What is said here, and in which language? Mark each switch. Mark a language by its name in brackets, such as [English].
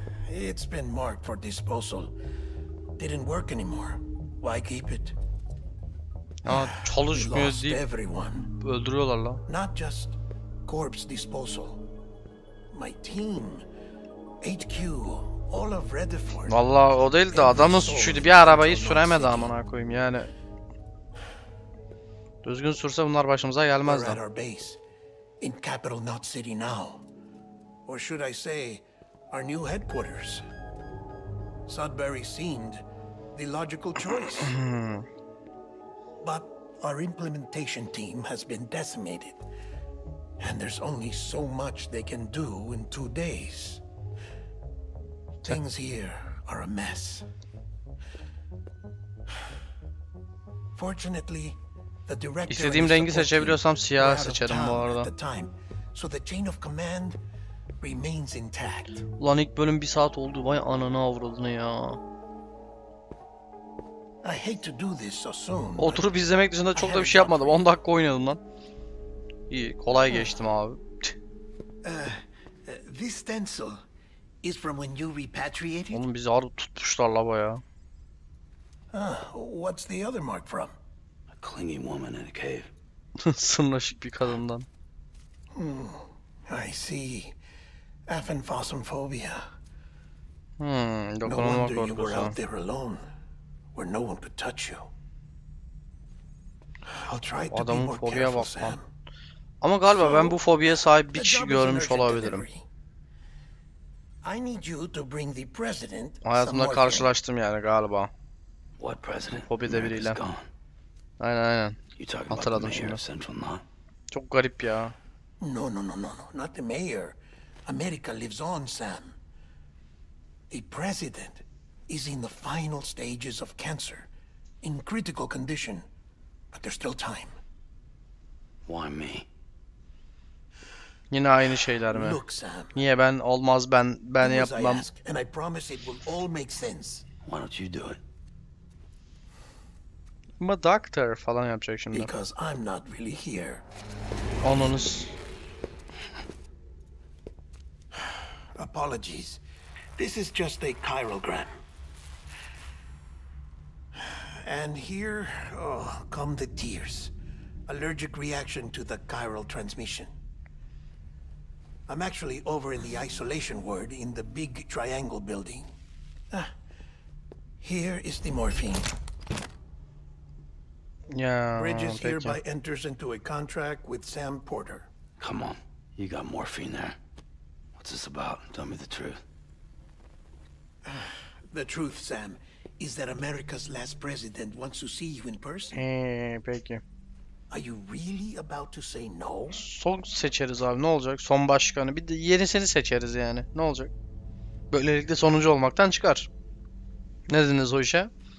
[English] It's been marked for disposal. Didn't work anymore. Why keep it? [Turkish] Çalışmıyor deyip [English] everyone. [Turkish] Öldürüyorlar lan. [English] Not just corpse disposal. My team, HQ, all of Redford. [Turkish] Vallahi o değil de adamın suçuydu. Bir arabayı süremedi amına koyayım yani. Düzgün sursa bunlar başımıza gelmezdi. [English] In Capital Knot City now. Or should I say our new headquarters? Sudbury seemed the logical choice. But our implementation team has been decimated. And there's only so much they can do in 2 days. Things here are a mess. Fortunately, the director [Turkish] İstediğim rengi seçebiliyorsam siyah seçerim bu arada. [English] Time, so the chain of command remains intact. [Turkish] Ulan ilk bölüm 1 saat oldu, vay anana avradını ya. I hate to do this so soon. Oturup izlemek dışında çok da bir şey yapmadım. 10 dakika oynadım lan. İyi, kolay geçtim abi. [English] This stencil is from when you repatriated. [Turkish] Oğlum bizi harbi tutmuşlar la bayağı. [English] What's the other mark from? A clinging woman in a cave. [Turkish] Sırnaşık bir kadından. [English] I see. Aphanphosmophobia. [Turkish] Dokunulmak korkusu. [English] No wonder you were out there alone. Where no one could touch you. I'll try to be more careful, bak, Sam. [Turkish] Lan. Ama galiba ben bu fobiye sahip bir kişi görmüş olabilirim. [English] I need you to bring the president. [Turkish] Hayatımda karşılaştım yani galiba. [English] What president? [Turkish] Fobi de biriyle. Aynen. Hatırladım şimdi. Çok garip ya. [English] No. Not the mayor. America lives on, Sam. The president is in the final stages of cancer, in critical condition, but there's still time. Why me? [Turkish] Yine aynı şeyler mi? [English] Look, Sam, [Turkish] niye ben olmaz ben yapmam. [English] I ask, and I promise it will all make sense. Why don't you do it? I'm a doctor [Turkish] falan yapacak şimdi. [English] Because I'm not really here. [Turkish] Onunuz. [English] Apologies. This is just a chirogram. And here, come the tears. Allergic reaction to the chiral transmission. I'm actually over in the isolation ward in the big triangle building. Here is the morphine. Yeah. Bridges hereby enters into a contract with Sam Porter. Come on, you got morphine there. What's this about? Tell me the truth. The truth, Sam. Is that America's last president wants to see you in person? [Turkish] Peki. [English] Are you really about to say no? [Turkish] Son seçeriz abi, ne olacak? Son başkanı, bir de yenisini seçeriz yani. Ne olacak? Böylelikle sonuncu olmaktan çıkar. Ne dediniz o işe?